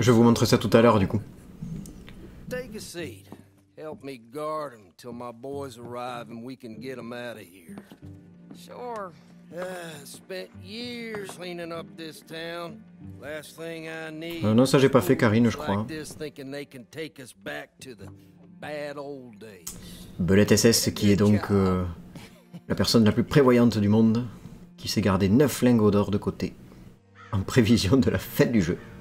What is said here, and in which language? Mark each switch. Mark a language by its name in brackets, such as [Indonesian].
[French] Je vous montrerai ça tout à l'heure, du coup. [English] Take a seat. Help me guard them till my boys arrive and we can get them out of here. Sure. Spent years cleaning up this town. Last thing I need. [French] Non, ça j'ai pas fait, Karine, je crois. [English] Like this, thinking they can take us back to the bad old days. [French] Belette SS, qui est donc la personne la plus prévoyante du monde, qui s'est gardé 9 lingots d'or de côté en prévision de la fête du jeu.